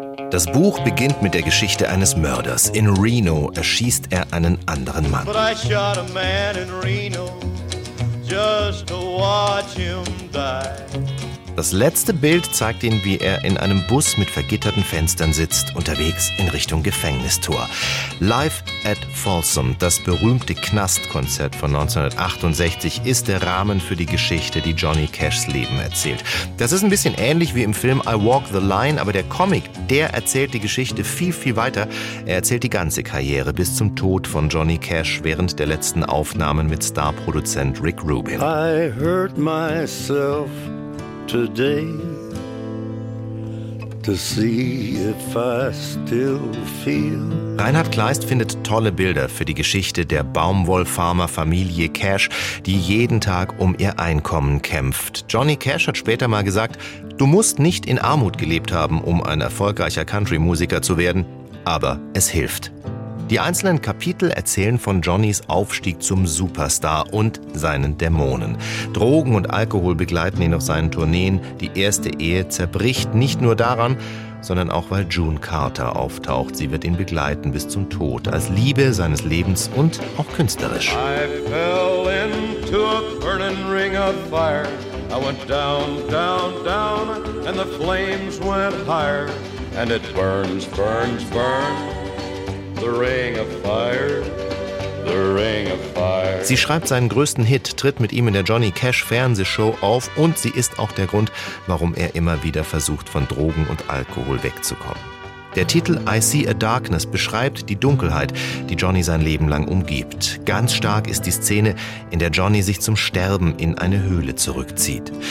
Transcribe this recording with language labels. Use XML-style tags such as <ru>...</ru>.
<de>Das Buch beginnt mit der Geschichte eines Mörders. In Reno erschießt er einen anderen Mann.</de> <en>But I shot a man in Reno, just to watch him die.</en> <de>Das letzte Bild zeigt ihn, wie er in einem Bus mit vergitterten Fenstern sitzt, unterwegs in Richtung Gefängnistor. Live at Folsom, das berühmte Knastkonzert von 1968, ist der Rahmen für die Geschichte, die Johnny Cashs Leben erzählt. Das ist ein bisschen ähnlich wie im Film I Walk the Line, aber der Comic, der erzählt die Geschichte viel, viel weiter. Er erzählt die ganze Karriere bis zum Tod von Johnny Cash während der letzten Aufnahmen mit Starproduzent Rick Rubin.</de> <en>I hurt myself today to see if I still feel.</en> <de>Reinhard Kleist findet tolle Bilder für die Geschichte der Baumwollfarmer-Familie Cash, die jeden Tag um ihr Einkommen kämpft. Johnny Cash hat später mal gesagt, du musst nicht in Armut gelebt haben, um ein erfolgreicher Country-Musiker zu werden, aber es hilft. Die einzelnen Kapitel erzählen von Johnnys Aufstieg zum Superstar und seinen Dämonen. Drogen und Alkohol begleiten ihn auf seinen Tourneen. Die erste Ehe zerbricht nicht nur daran, sondern auch, weil June Carter auftaucht. Sie wird ihn begleiten bis zum Tod, als Liebe seines Lebens und auch künstlerisch.</de> <en>I fell into a burning ring of fire. I went down, down, down, and the flames went higher. And it burns, burns, burns. The ring of fire, the ring of fire.</en> <de>Sie schreibt seinen größten Hit, tritt mit ihm in der Johnny Cash Fernsehshow auf und sie ist auch der Grund, warum er immer wieder versucht, von Drogen und Alkohol wegzukommen. Der Titel I See a Darkness beschreibt die Dunkelheit, die Johnny sein Leben lang umgibt. Ganz stark ist die Szene, in der Johnny sich zum Sterben in eine Höhle zurückzieht.</de>